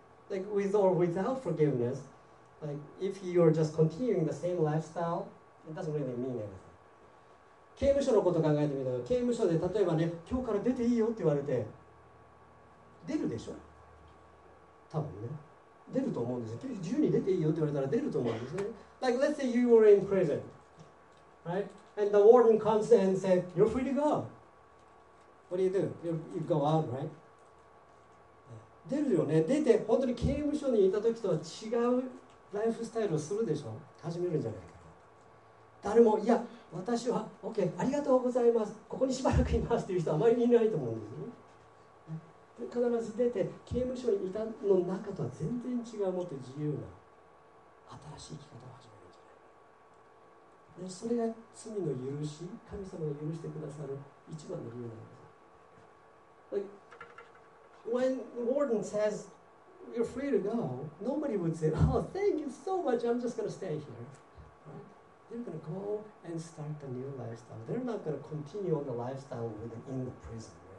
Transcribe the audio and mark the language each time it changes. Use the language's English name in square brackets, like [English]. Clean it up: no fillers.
[English] Like with or without forgiveness, like if you're just continuing the same lifestyle, it doesn't really mean anything. [Japanese] 刑務所のことを考えてみたら、刑務所で例えばね、今日から出ていいよって言われて、出るでしょ？多分ね。出ると思うんですよ。自由に出ていいよって言われたら出ると思うんですね。 [English] Like let's say you were in prison, right? And the warden comes and says, you're free to go. What do? You go out, right? [Japanese] 出るよね。出て本当に刑務所にいた時とは違うライフスタイルをするでしょ。始めるんじゃないか。誰も、いや、私は OK、ありがとうございます。ここにしばらくいますっていう人はあまりいないと思うんですよ。必ず出て刑務所にいたの中とは全然違う、もっと自由な新しい生き方を始める。それが罪の許し、神様が許してくださる一番の理由なんです。 [English] Like, when the warden says, you're free to go, nobody would say, oh, thank you so much, I'm just going to stay here. They're going to go and start a new lifestyle. They're not going to continue on the lifestyle within in the prison.